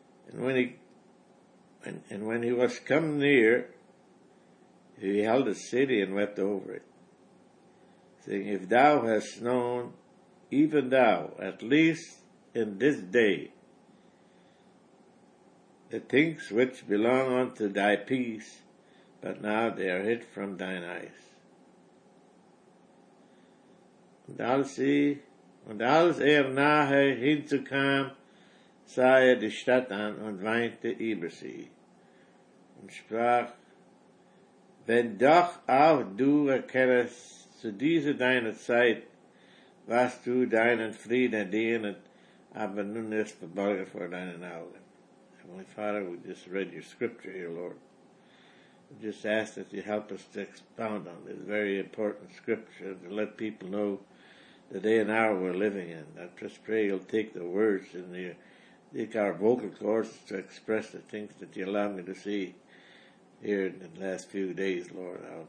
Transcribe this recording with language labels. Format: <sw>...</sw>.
<en>And when he was come near, he beheld the city and wept over it, saying, if thou hast known, even thou, at least in this day, the things which belong unto thy peace, but now they are hid from thine eyes.</en> <de>Und als er nahe hinzukam, sah er die Stadt an und weinte über sie und sprach, wenn doch auch du erkennest zu dieser deiner Zeit, was du deinen Frieden dienet, aber nun ist verborgen vor deinen Augen.</de> <en>Heavenly Father, we just read your scripture here, Lord. We just ask that you help us to expound on this very important scripture to let people know the day and hour we're living in. I just pray you'll take the words and take our vocal cords to express the things that you allow me to see here in the last few days, Lord.</en>